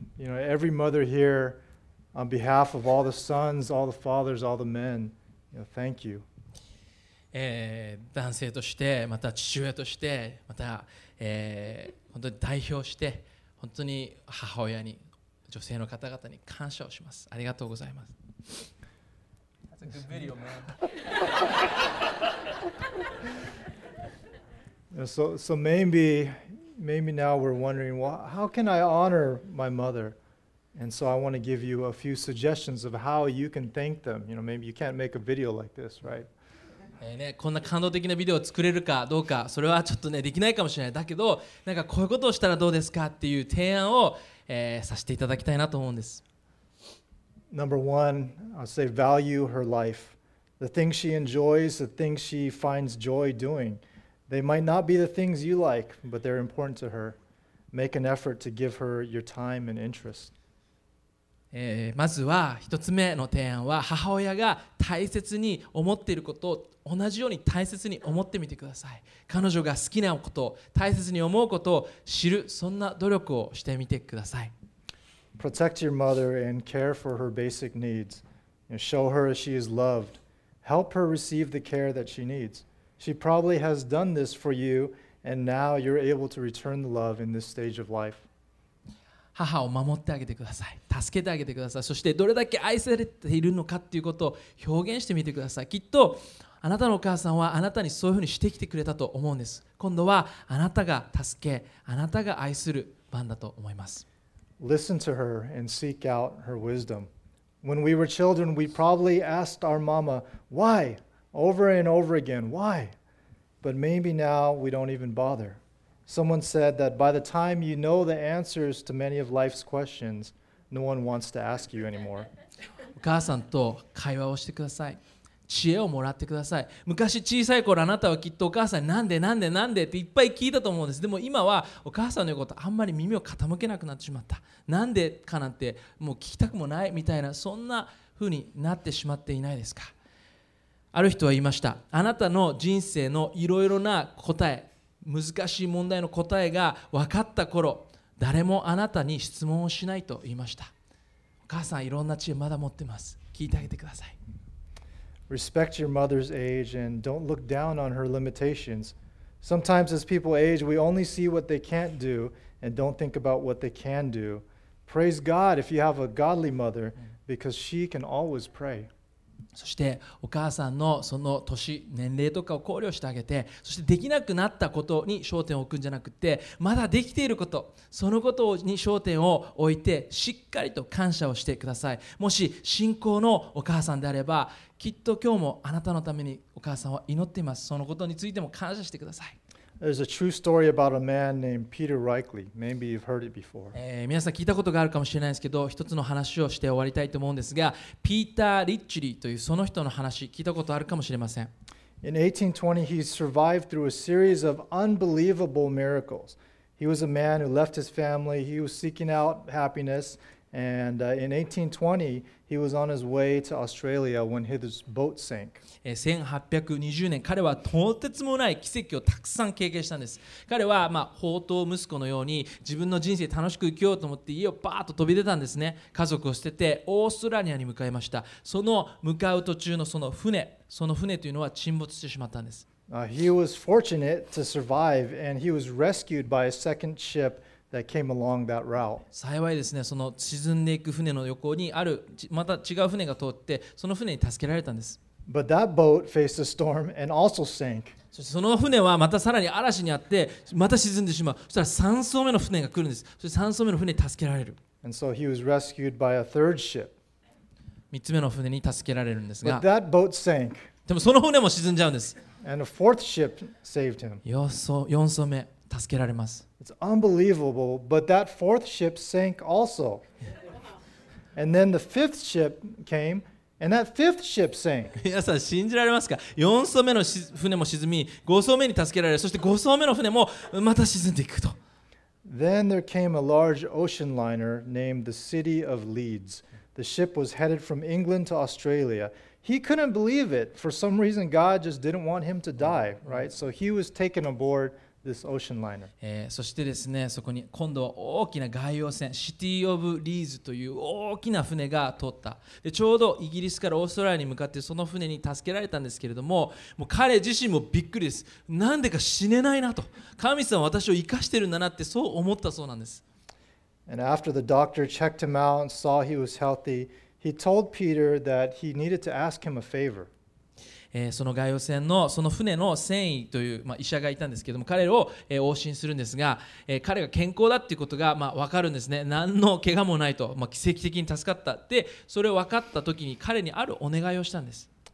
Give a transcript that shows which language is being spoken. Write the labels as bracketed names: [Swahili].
[English] You know, every mother here, on behalf of all the sons, all the fathers, all the men. Thank you. [Japanese] 男性として、また父親として、また、本当に代表して、本当に母親に、女性の方々に感謝をします。ありがとうございます。 [English] That's a good video, man. So maybe now we're wondering, well, how can I honor my mother? And so I want to give you a few suggestions of how you can thank them. You know, maybe you can't make a video like this, right? [Japanese] ね、こんな感動的なビデオを作れるかどうか、それはちょっとね、できないかもしれない。だけど、なんかこういうことをしたらどうですかっていう提案を、させていただきたいなと思うんです。 [English] Number one, I'll say value her life. The things she enjoys, the things she finds joy doing. They might not be the things you like, but they're important to her. Make an effort to give her your time and interest. [Japanese] まずは一つ目の提案は母親が大切に思っていることを同じように大切に思ってみてください。彼女が好きなことを大切に思うことを知るそんな努力をしてみてください。 [English] Protect your mother and care for her basic needs. Show her she is loved. Help her receive the care that she needs. She probably has done this for you and now you're able to return the love in this stage of life. [Japanese] 母を守ってあげてください。助けてあげてください。そしてどれだけ愛されているのかということを表現してみてください。きっとあなたのお母さんはあなたにそういうふうにしてきてくれたと思うんです。今度はあなたが助け、あなたが愛する番だと思います。 [English] Listen to her and seek out her wisdom. When we were children, we probably asked our mama, why? Over and over again, why? But maybe now we don't even bother. Someone said that by the time you know the answers to many of life's questions, no one wants to ask you anymore. [Japanese] お母さんと会話をしてください。知恵をもらってください。昔小さい頃あなたはきっとお母さんになんでなんでなんでっていっぱい聞いたと思うんです。でも今はお母さんの言うことあんまり耳を傾けなくなってしまった。なんでかなんてもう聞きたくもないみたいなそんな風になってしまっていないですか。ある人は言いました。あなたの人生のいろいろな答え難しい問題の答えが分かった頃誰もあなたに質問をしないと言いましたお母さんいろんな知恵まだ持ってます聞いてあげてください [English] Respect your mother's age and don't look down on her limitations Sometimes as people age we only see what they can't do and don't think about what they can do Praise God if you have a godly mother because she can always pray [Japanese] そしてお母さんのその年年齢とかを考慮してあげてそしてできなくなったことに焦点を置くんじゃなくてまだできていることそのことに焦点を置いてしっかりと感謝をしてくださいもし信仰のお母さんであればきっと今日もあなたのためにお母さんは祈っていますそのことについても感謝してください [English] There's a true story about a man named Peter Reikley. Maybe you've heard it before. [Japanese] 皆さん聞いたことがあるかもしれないですけど、一つの話をして終わりたいと思うんですが、ピーター・リッチリーというその人の話、聞いたことあるかもしれません。 [English] In 1820, he survived through a series of unbelievable miracles. He was a man who left his family. He was seeking out happiness. And in 1820, he was on his way to Australia when his boat sank. [Japanese] 1820年、彼はとてつもない奇跡をたくさん経験したんです。彼は、まあ、放蕩息子のように自分の人生楽しく生きようと思って家をバーッと飛び出たんですね。家族を捨ててオーストラリアに向かいました。その向かう途中のその船というのは沈没してしまったんです。 [English] He was fortunate to survive and he was rescued by a second ship. That came along that route. [Japanese] 幸いですね、その沈んでいく船の横にある、また違う船が通って、その船に助けられたんです。 [English] But that boat faced a storm and also sank. [Japanese] そしてその船はまたさらに嵐にあって、また沈んでしまう。そしたら3艘目の船が来るんです。そして3艘目の船に助けられる。 [English] And so he was rescued by a third ship. [Japanese] 3つ目の船に助けられるんですが、 [English] But that boat sank. [Japanese] でもその船も沈んじゃうんです。 [English] And a fourth ship saved him. [Japanese] 4艘目、助けられます。 [English] It's unbelievable, but that fourth ship sank also. And then the fifth ship came, and that fifth ship sank. [Japanese] 皆さん信じられますか ?4 艘目の船も沈み、5艘目に助けられ、そして5艘目の船もまた沈んでいくと。 [English] Then there came a large ocean liner named the City of Leeds. The ship was headed from England to Australia. He couldn't believe it. For some reason, God just didn't want him to die, right? So he was taken aboard. This ocean liner. [Japanese] そしてですね、そこに今度は大きな外洋船、シティオブリーズという大きな船が通った。で、ちょうどイギリスからオーストラリアに向かってその船に助けられたんですけれども、もう彼自身もびっくりです。なんでか死ねないなと。神様は私を生かしてるんだなってそう思ったそうなんです。 [English] And after the doctor checked him out and saw he was healthy, He told Peter that he needed to ask him a favor. [Japanese] その外洋船のその船の船医という、まあ、医者がいたんですけども彼を、往診するんですが、彼が健康だっていうことが、まあ、分かるんですね。何の怪我もないと、まあ、奇跡的に助かった。でそれを分かった時に彼にあるお願いをしたんです。